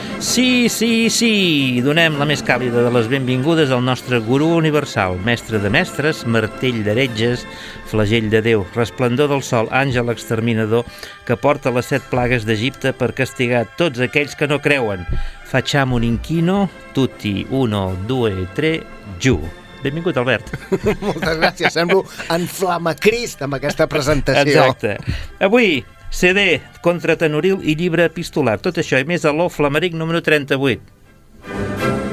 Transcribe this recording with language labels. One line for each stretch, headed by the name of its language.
Catalan: Sí, sí, sí! Donem la més càlida de les benvingudes al nostre gurú universal, mestre de mestres, martell d'heretges, flagell de Déu, resplendor del sol, àngel exterminador, que porta les set plagues d'Egipte per castigar tots aquells que no creuen.
Italian: Facciamo un inchino, tutti, uno, due, tre, giù.
Catalan: Benvingut, Albert. Moltes gràcies. Semblo en Flamacrist amb aquesta presentació. Exacte. Avui, CD, contratenoril i llibre epistolar. Tot això i més a l'O Flamaric número 38.